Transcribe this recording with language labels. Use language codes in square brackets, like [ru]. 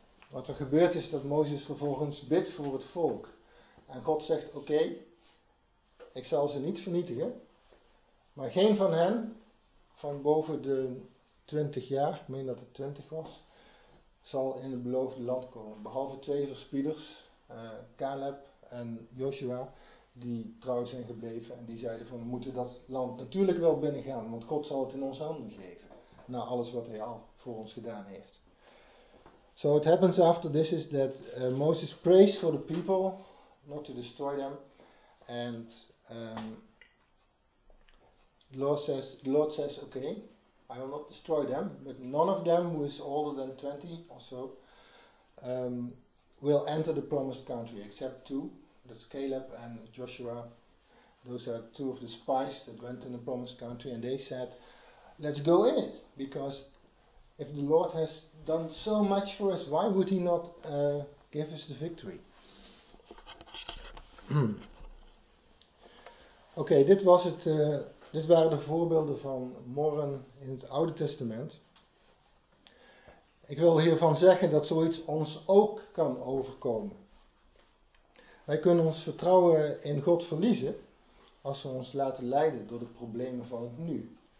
[nl] Wat er gebeurt is dat Mozes vervolgens bidt voor het volk. En God zegt, oké, ik zal ze niet vernietigen, maar geen van hen, van boven de 20 jaar, ik meen dat het 20 was, zal in het beloofde land komen. Behalve twee verspieders, Caleb en Joshua, die trouw zijn gebleven en die zeiden van, we moeten dat land natuurlijk wel binnengaan, want God zal het in onze handen geven, na alles wat hij al voor ons gedaan heeft. [en] So what happens after this is that Moses prays for the people, not to destroy them, and the Lord says, okay, I will not destroy them, but none of them who is older than 20 or so will enter the promised country, except two, that's Caleb and Joshua. Those are two of the spies that went in the promised country, and they said, let's go in it, because if the Lord has done so much for us, why would he not give us the victory? [nl] Oké, dit waren de voorbeelden van morren in het Oude Testament. Ik wil hiervan zeggen dat zoiets ons ook kan overkomen. Wij kunnen ons vertrouwen in God verliezen als we ons laten leiden door de problemen van het nu.